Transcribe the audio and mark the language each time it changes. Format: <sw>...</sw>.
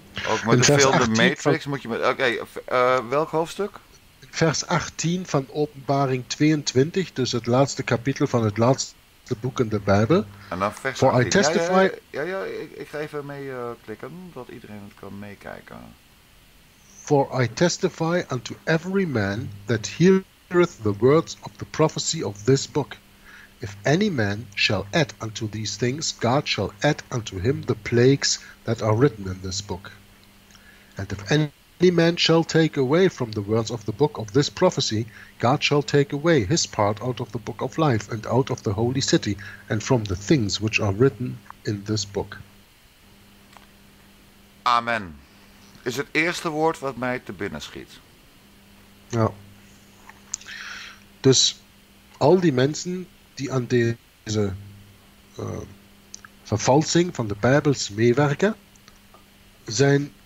<nl>Ook met de film The Matrix moet je met... Oké, okay, welk hoofdstuk? Vers 18 van Openbaring 22, dus het laatste kapitel van het laatste boek in de Bijbel. En dan vers 18.</nl> <en>I testify...</en> <nl>Ik ga even mee klikken, dat iedereen het kan meekijken.</nl> <en>For I testify unto every man that heareth the words of the prophecy of this book. If any man shall add unto these things, God shall add unto him the plagues that are written in this book. And if any man shall take away from the words of the book of this prophecy, God shall take away his part out of the book of life and out of the holy city and from the things which are written in this book. Amen.</en> <nl>Is het eerste woord wat mij te binnen schiet. Ja. Dus al die mensen die aan deze vervalsing van de Bijbels meewerken, zijn</nl>